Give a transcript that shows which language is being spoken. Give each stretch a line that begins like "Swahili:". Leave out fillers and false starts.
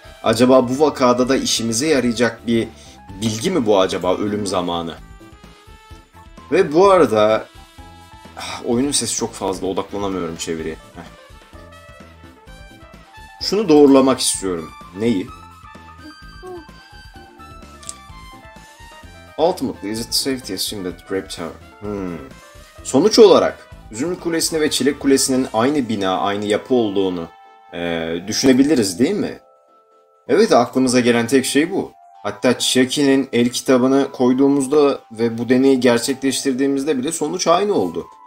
Turkish: Acaba bu vakada da işimize yarayacak bir bilgi mi bu acaba ölüm zamanı? Ve bu arada oyunun sesi çok fazla, odaklanamıyorum çeviriye. Şunu doğrulamak istiyorum. Neyi?
English: Ultimately, is it safe to assume that Grape Tower?
Turkish: Sonuç olarak, Üzüm Kulesi'ni ve Çilek Kulesi'nin aynı bina, aynı yapı olduğunu düşünebiliriz değil mi? Evet, aklımıza gelen tek şey bu. Hatta Chiaki'nin el kitabını koyduğumuzda ve bu deneyi gerçekleştirdiğimizde bile sonuç aynı oldu.